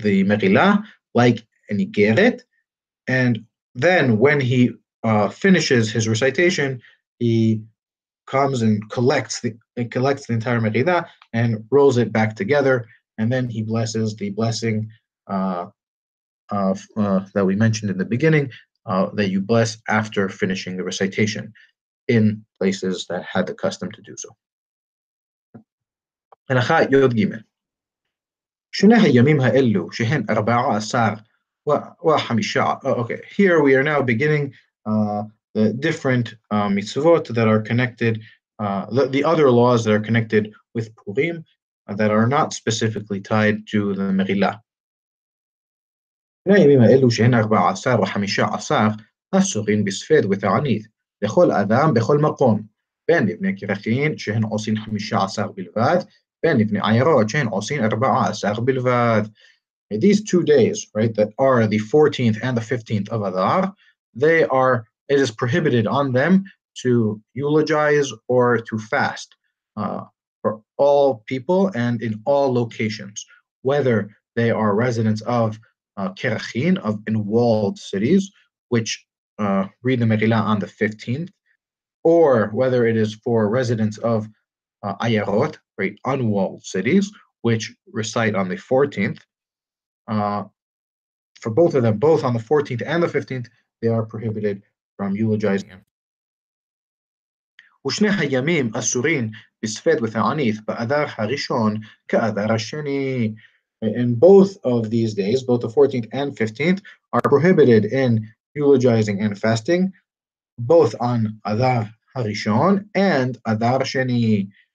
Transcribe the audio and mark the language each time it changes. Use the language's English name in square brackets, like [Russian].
[English] Merilah like an igeret, and then when he finishes his recitation, he comes and collects the entire Megillah and rolls it back together, and then he blesses the blessing that we mentioned in the beginning, that you bless after finishing the recitation in places that had the custom to do so. [Hebrew] Halacha Yod Gimel. שני הימים האלו שהן 14 וחמישה. [English] Okay, here we are now beginning the different mitzvot that are connected, the other laws that are connected with Purim that are not specifically tied to the Megillah. [Hebrew] שני הימים האלו שהן 14 וחמישה אסורים בספד ותענית לכל אדם בכל מקום, בין לבני קרחין שהן עושים 15 בלבד, בין לבני עיירות שהן עושים 14 בלבד. [English] These 2 days, right, that are the 14th and the 15th of Adar, they are, it is prohibited on them to eulogize or to fast for all people and in all locations, whether they are residents of Kerachin, of in walled cities, which read the Megillah on the 15th, or whether it is for residents of Ayarot, right, unwalled cities, which recite on the 14th. For both of them, both on the 14th and the 15th, they are prohibited from eulogizing him. [Hebrew] ושני הימים אסורים בספד ותענית באדר הראשון כאדר השני. [English] And both of these days, both the 14th and 15th, are prohibited in eulogizing and fasting, both on Adar HaRishon and Adar Sheni.